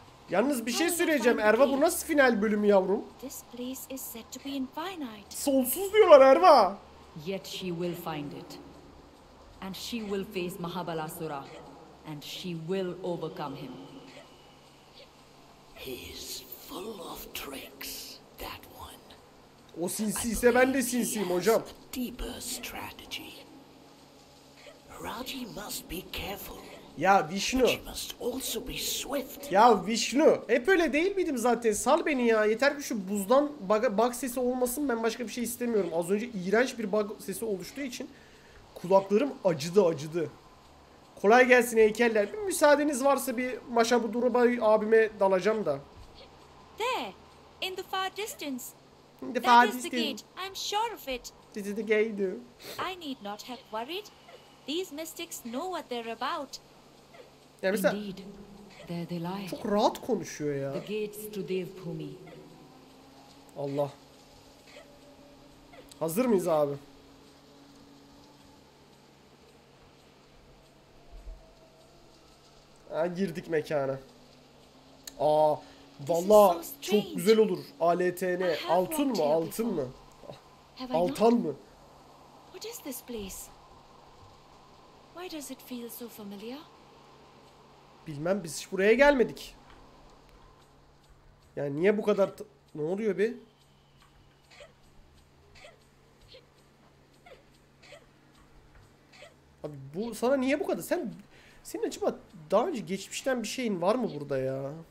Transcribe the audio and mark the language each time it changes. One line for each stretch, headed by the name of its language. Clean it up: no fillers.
Turkish: Yalnız bir şey söyleyeceğim. Erva, bu nasıl final bölümü yavrum?
English: This place is said to be infinite.
Turkish: Sonsuz diyorlar Erva.
English: Yet she will find it. And she will face Mahabalasura. And she will overcome him. He's full of tricks, that one.
Turkish: O sinsiyse ben de sinsiyim hocam.
English: Deeper strategy. Raji must be careful.
Turkish: Ya Vishnu.
English: She must also be swift.
Turkish: Ya Vishnu. Hep öyle değil miydim zaten? Sal beni ya. Yeter ki şu buzdan bug sesi olmasın. Ben başka bir şey istemiyorum. Az önce iğrenç bir bug sesi oluştuğu için kulaklarım acıdı. Kolay gelsin heykeller. Bir müsaadeniz varsa bir Mashabu Durubay abime dalacağım da.
English: There, in the far distance. In the far distance. That is the gate. I'm sure of it. This is the gate. I need not have worried. These mystics know what they're about.
Turkish: Yani mesela,
English: indeed, there they lie.
Turkish: Çok rahat konuşuyor ya.
English: The gates to Devbhumi.
Turkish: Allah. Hazır mıyız abi? Ha, girdik mekana. Aa, vallahi çok güzel olur. ALTN altın mı, altın mı? Altan mı?
English: What is this place? Why does it feel so familiar?
Turkish: Bilmem, biz hiç buraya gelmedik. Yani niye bu kadar ne oluyor be? Abi bu sana niye bu kadar? Senin acaba daha önce geçmişten bir şeyin var mı burada ya?